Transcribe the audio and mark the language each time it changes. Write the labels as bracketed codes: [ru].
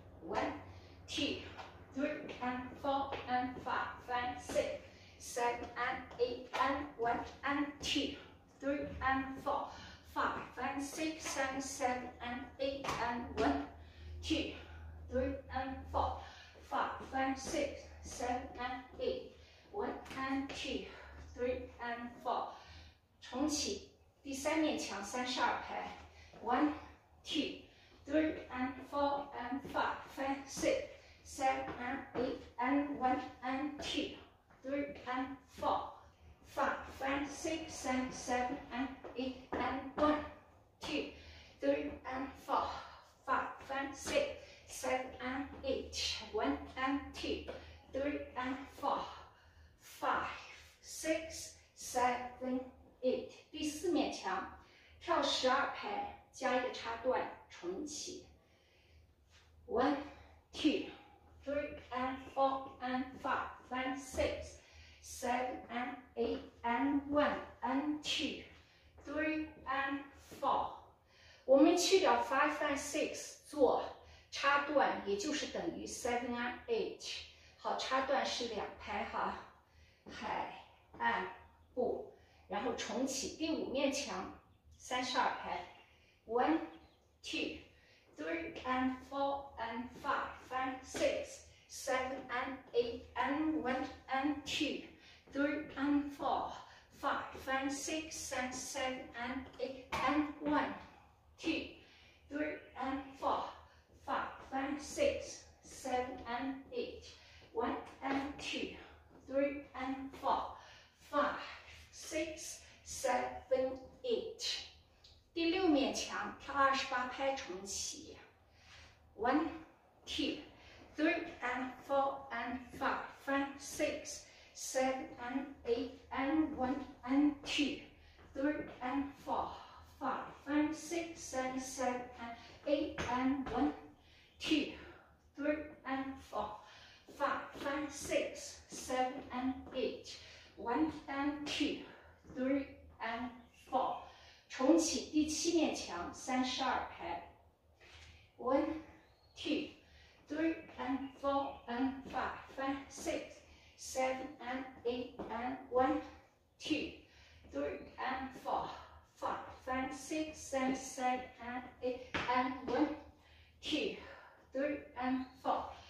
[en] One, two, three and four and five and six, seven and eight and one and two, three and four, five and six and seven and eight and one, two, three and four, five and six. Seven and eight, one and two, three and four. [zh] 重启第三面墙三十二拍。 [en] One, two, three and four and five and six, seven and eight and one and two, three and four, five and six and seven and eight and one, two, three and four, five and six, seven and eight, one and two. Three and four, five, six, seven, eight. [zh] 第四面墙，跳十二拍，加一个插段，重启。 [en] One, two, three and four and five and six, seven and eight and one and two, three and four. [zh] 我们去掉 [en] five and six [zh] 做插段，也就是等于 [en] seven and eight. [zh] 好，插段是两拍哈，海岸步，然后重启第五面墙，三十二拍 ，one, [en] two, three and four and five and six, seven and eight and one and two, three and four, five and six and seven and eight and one, two, three and four, five and six, seven and eight. One and two, three and four, five, six, seven, eight. [zh] 第六面墙跳二十八拍重启。 [en] One, two, three and four and five and six, seven and eight and one and two, three and four, five and six and seven and eight and one, two, three and four. Five and six, seven and eight, one and two, three and four. [zh] 重启第七面墙，三十二拍。 [en] One, two, three and four and five and six, seven and eight and one, two, three and four, five and six and seven and eight and one, two, three and four.